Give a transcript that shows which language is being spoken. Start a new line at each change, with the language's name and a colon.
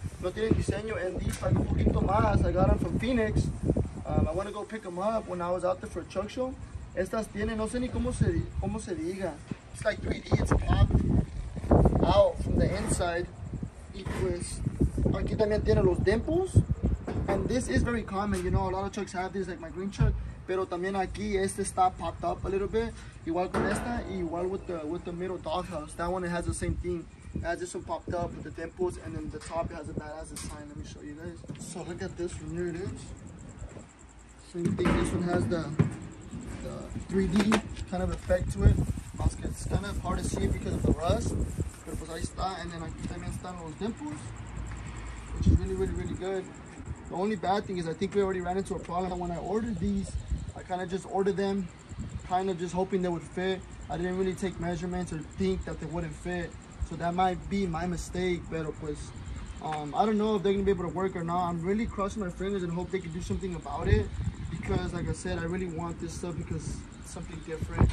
Spanish: No tienen diseño,
English: and these are
Spanish: un poquito más.
English: I got them from Phoenix. I want to go pick them up when I was out there for a truck show.
Spanish: Estas tienen, no sé ni cómo se diga.
English: It's like 3D, it's popped out from the inside.
Spanish: Y pues, aquí también tiene los dimples.
English: And this is very common, you know, a lot of trucks have this, like my green truck.
Spanish: Pero también aquí, este está
English: popped up a little bit.
Spanish: Igual con esta, igual
English: with the middle doghouse. That one, it has the same thing. It has this one popped up with the dimples, and then the top has a badass design. Let me show you guys. So look at this one, here it is. Same thing, this one has the 3D kind of effect to it. It's kind of hard to see because of the rust. But
Spanish: pues ahí está,
English: and then
Spanish: aquí también están los
English: dimples, which is really, really, really good. The only bad thing is I think we already ran into a problem when I ordered these. I kind of just ordered them, kind of just hoping they would fit. I didn't really take measurements or think that they wouldn't fit. So that might be my mistake,
Spanish: pero pues,
English: I don't know if they're gonna be able to work or not. I'm really crossing my fingers and hope they can do something about it. Because like I said, I really want this stuff because it's something different.